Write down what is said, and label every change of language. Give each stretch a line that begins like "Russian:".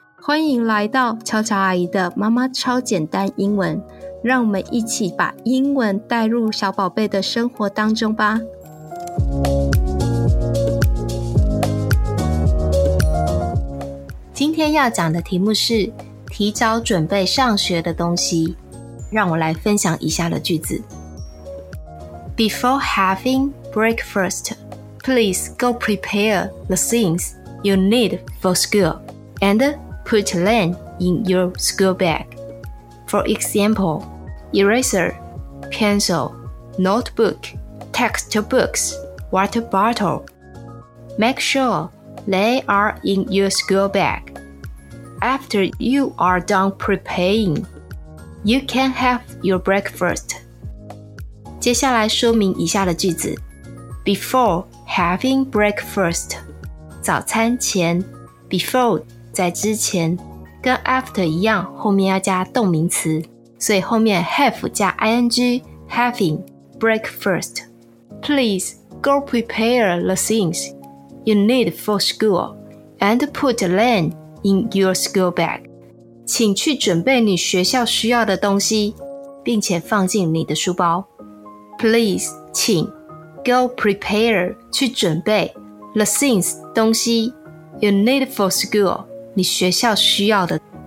Chinese: 欢迎来到乔乔阿姨的妈妈超简单英文，让我们一起把英文带入小宝贝的生活当中吧。今天要讲的题目是提早准备上学的东西。让我来分享以下的句子。
English: Before having breakfast, please go prepare the things you need for school and put them in your school bag. For example, eraser, pencil, notebook, textbooks, water bottle. Make sure they are in your school bag. After you are done preparing, you can have your breakfast.
Chinese: 接下来说明以下的句子
English: Before having breakfast
Chinese: 早餐前
English: Before
Chinese: 在之前跟 after 一样后面要加动名词所以后面 have 加 ing
English: Having breakfast Please go prepare the things you need for school And put them in your school bag
Chinese: 请去准备你学校需要的东西并且放进你的书包
English: Please,
Chinese: 请
English: go prepare,
Chinese: 去准备
English: the things,
Chinese: 东西 you need for school, 你学校需要的